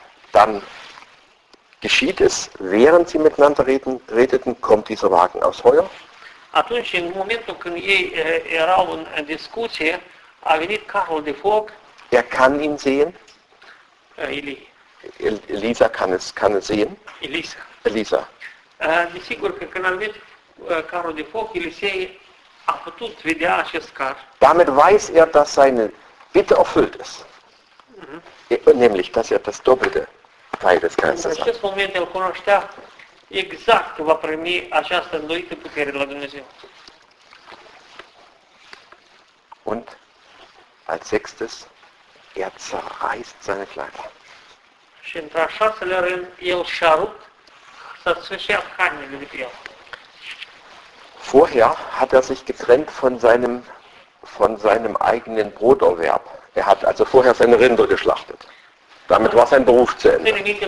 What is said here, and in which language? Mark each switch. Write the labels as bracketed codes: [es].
[de] Dann geschieht es, während sie miteinander redeten, kommt dieser Wagen aus Heuer. [ro] Atunci, în momentul când ei erau în discuție, a venit Carol de Foc. [de] Er kann ihn sehen. Elisa kann es sehen. Elisa. [ro] Desigur că când a venit Carol de Foc, Elisei a putut vedea acest car. [de] Damit weiß er, dass seine Bitte erfüllt ist. Nämlich, dass er das Doppelte Teil des Geistes [ro] hat. In acest moment el cunoștea exact va primi această înnoită putere la Dumnezeu. [de] Und als sechstes, er zerreißt seine Kleider. [ro] Și într-a șasele rând, el și-a rupt, s-a sfârșit hainele de pe el. [de] Vorher hat er sich getrennt von seinem eigenen Broterwerb. Er hat also vorher seine Rinder geschlachtet. Damit war sein Beruf zu Ende.